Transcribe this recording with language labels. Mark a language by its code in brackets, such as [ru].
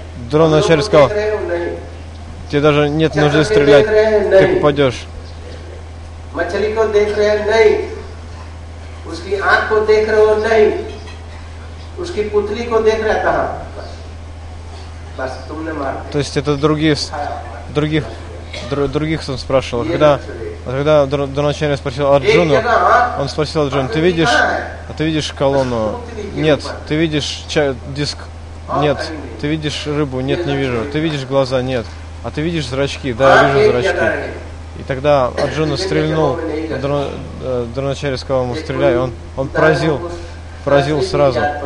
[ru] Дроначарья сказал, тебе даже нет нужды стрелять, ты попадешь. [hi] मछली को देख रहे हैं नहीं उसकी आंख को देख रहे हो नहीं उसकी पुतली को देख रहे कहां बस तुमने मार [ru] तो есть это других он спрашивал когда Дроначарья спросил Арджуну он спросил Арджуну ты видишь колонну нет ты видишь диск нет ты видишь рыбу нет не вижу ты видишь глаза нет а ты видишь зрачки да я вижу зрачки И тогда Арджуна стрельнул, Дроначарья сказал ему, стреляй, он поразил сразу.